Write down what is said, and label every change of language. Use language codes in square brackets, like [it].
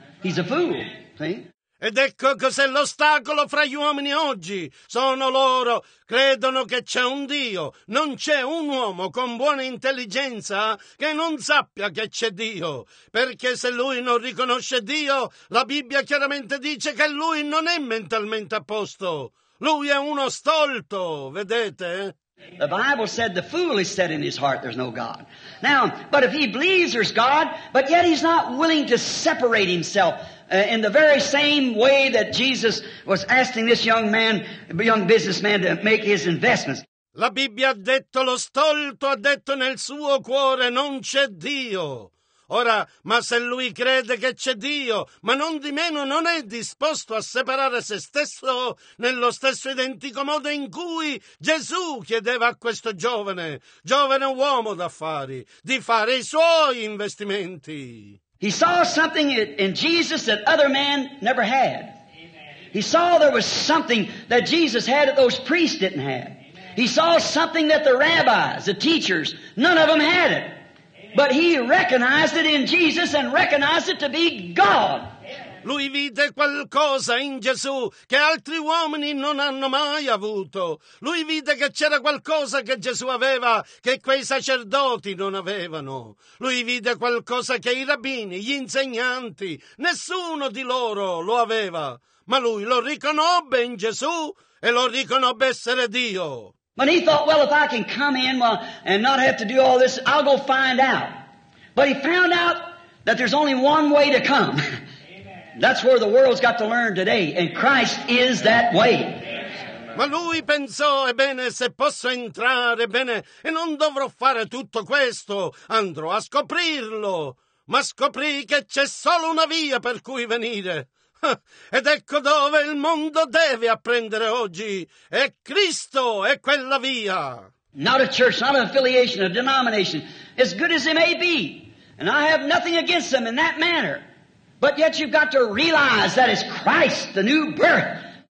[en] He's a fool. See? [it] Ed ecco cos'è l'ostacolo fra gli uomini oggi. Sono loro, credono che c'è un Dio. Non c'è un uomo con buona intelligenza che non sappia che c'è Dio. Perché se lui non riconosce Dio, la Bibbia chiaramente dice che lui non è mentalmente a posto. Lui è uno stolto, vedete? [en] The Bible said the fool is set in his heart, there's no God. Now, but if he believes there's God, but yet he's not willing to separate himself in the very same way that Jesus was asking this young man, young businessman, to make his investments. [it] La Bibbia ha detto, lo stolto ha detto nel suo cuore, non c'è Dio. Ora, ma se lui crede che c'è Dio, ma non di meno non è disposto a separare se stesso nello stesso identico modo in cui Gesù chiedeva a questo giovane uomo d'affari, di fare i suoi investimenti. [en] He saw something in Jesus that other men never had. Amen. He saw there was something that Jesus had that those priests didn't have. Amen. He saw something that the rabbis, the teachers, none of them had it. But he recognized it in Jesus and recognized it to be God. [it] Lui vide qualcosa in Gesù che altri uomini non hanno mai avuto. Lui vide che c'era qualcosa che Gesù aveva che quei sacerdoti non avevano. Lui vide qualcosa che i rabbini, gli insegnanti, nessuno di loro lo aveva. Ma lui lo riconobbe in Gesù e lo riconobbe essere Dio. [en] But he thought, well, if I can come in and not have to do all this, I'll go find out. But he found out that there's only one way to come. Amen. That's where the world's got to learn today, and Christ is that way. [it] Ma lui pensò, ebbene, se posso entrare, ebbene, e non dovrò fare tutto questo, andrò a scoprirlo. ma scoprì che c'è solo una via per cui venire. Ed ecco dove il mondo deve apprendere oggi. E Cristo è quella via. [en] Not a church, not an affiliation, a denomination, as good as they may be. And I have nothing against them in that manner. But yet you've got to realize that it's Christ, the new birth.